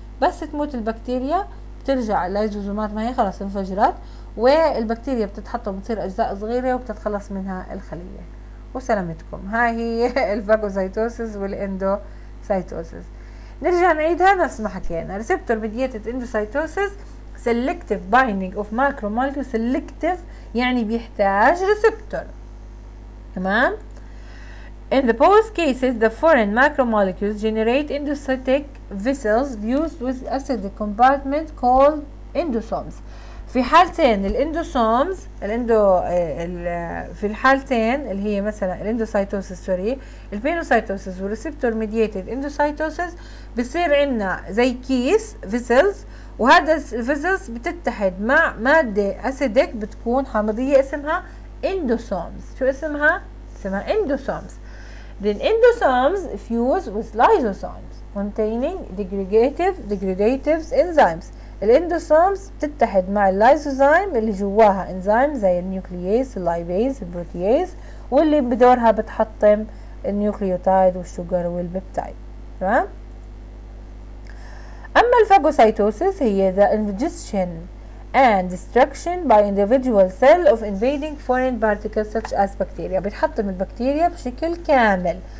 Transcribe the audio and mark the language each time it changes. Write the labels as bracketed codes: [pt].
[ar] بس تموت البكتيريا بترجع اللايزوزومات ما هي خلاص انفجرت، والبكتيريا بتتحطم بتصير اجزاء صغيره وبتتخلص منها الخليه وسلامتكم. هاي هي الفاجوسايتوسيس والاندوسايتوسيس. نرجع نعيدها نفس ما حكينا، [en] Receptor mediated endocytosis selective binding of macromolecule. [ar] سيلكتيف يعني بيحتاج ريسبتور، تمام. [en] In the both cases the foreign macromolecules generate endocytic vessels used with acidic compartment called endosomes. [ar] في حالتين الاندوسومز الاندو في الحالتين اللي هي مثلا الاندوسايتوسيس سوري البينوسايتوسيس والريسبتور ميدييتد اندوسايتوسيس بصير عندنا زي كيس فيسلز، وهذا الفيسلز بتتحد مع ماده اسيدك بتكون حامضيه اسمها اندوسومز. شو اسمها؟ اسمها اندوسومز. [en] Then endosomes fuse with lysosomes containing degradative enzymes. [ar] الاندوسومز بتتحد مع اللايزوزايم اللي جواها انزيم زي النيوكلييز اللايبيز البروتييز، واللي بدورها بتحطم النيوكليوتايد والشوجر والبيبتايد، تمام. اما الفاجوسايتوسيس هي [en] the ingestion and destruction by individual cell of invading foreign particles such as bacteria. [ar] بتحطم البكتيريا بشكل كامل،